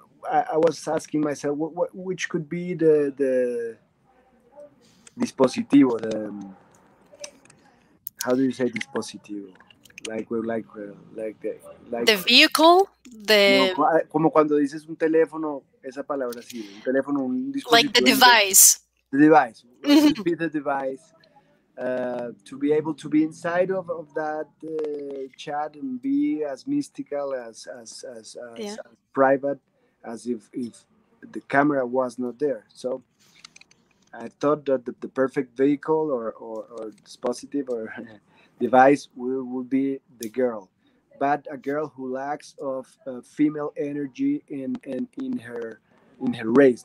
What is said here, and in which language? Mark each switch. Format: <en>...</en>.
<en>I was asking myself, which could be the dispositivo, how do you say this positive? Like the vehicle, the.</en> <es>No, como cuando dices un teléfono, esa palabra sí, un teléfono, un dispositivo.</es> <en>Like the device. The device. Be the device. To be able to be inside of that chat and be as mystical as private as if the camera was not there. So. I thought that the perfect vehicle or dispositive or device would be the girl, but a girl who lacks of female energy in her race.</en>